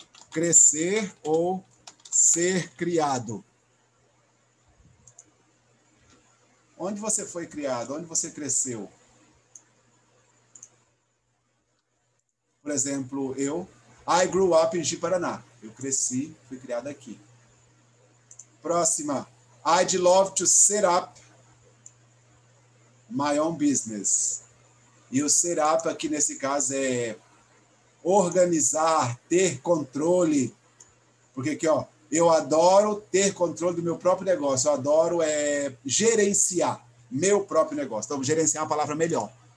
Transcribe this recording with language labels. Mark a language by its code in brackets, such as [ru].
[pt] Crescer ou ser criado? Onde você foi criado? Onde você cresceu? Por exemplo, eu... [en] I grew up in Jiparaná. [pt] Eu cresci, fui criado aqui. Próxima. [en] I'd love to set up my own business. [pt] E o set up aqui nesse caso é organizar, ter controle. Porque aqui, ó, eu adoro ter controle do meu próprio negócio. Eu adoro gerenciar meu próprio negócio. Então, gerenciar é uma palavra melhor.